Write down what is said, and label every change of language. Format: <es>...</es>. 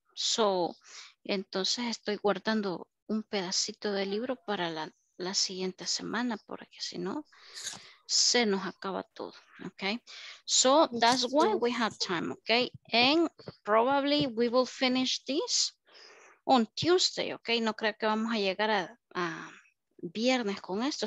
<es>So, entonces estoy guardando un pedacito de libro para la siguiente semana, porque si no, se nos acaba todo.</es> <en>Okay, so that's why we have time. Okay, and probably we will finish this on Tuesday.</en> <es>Okay, no creo que vamos a llegar a viernes con esto.</es>